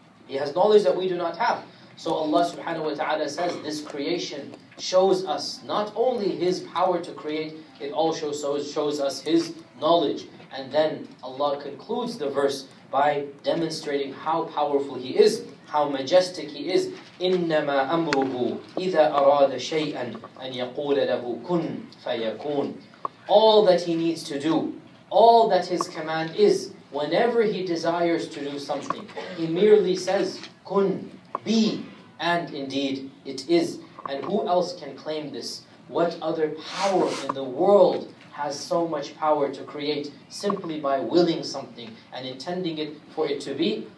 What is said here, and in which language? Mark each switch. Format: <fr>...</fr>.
<en>He has knowledge that we do not have. So Allah subhanahu wa ta'ala says, this creation shows us not only his power to create, it also shows us his knowledge. And then Allah concludes the verse by demonstrating how powerful he is, how majestic he is.</en> <ar>إِنَّمَا أَمْرُهُ إِذَا أَرَادَ شَيْئًا أَنْ يَقُولَ لَهُ كُنْ فَيَكُونَ.</ar> <en>All that he needs to do, all that his command is, whenever he desires to do something, he merely says, kun, be, and indeed it is. And who else can claim this? What other power in the world has so much power to create simply by willing something and intending it for it to be?</en>